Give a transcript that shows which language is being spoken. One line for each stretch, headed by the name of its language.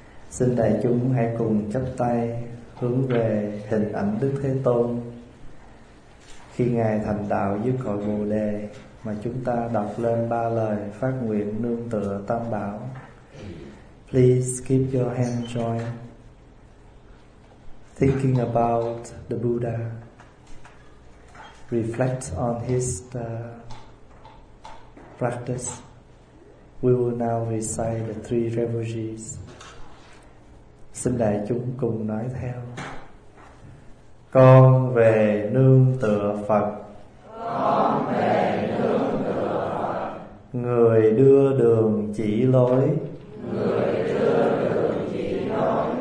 Vietnamese: Xin đại chúng hãy cùng chắp tay hướng về hình ảnh Đức Thế Tôn khi Ngài thành đạo dưới cội Bồ Đề, mà chúng ta đọc lên ba lời phát nguyện nương tựa Tam Bảo.
English: Please keep your hand joined, thinking about the Buddha, reflect on his practice. We will now recite the three refuges.
Vietnamese: Xin đại chúng cùng nói theo. Con về nương tựa Phật. Con về nương tựa Phật. Người đưa đường chỉ lối. Người đưa đường chỉ lối.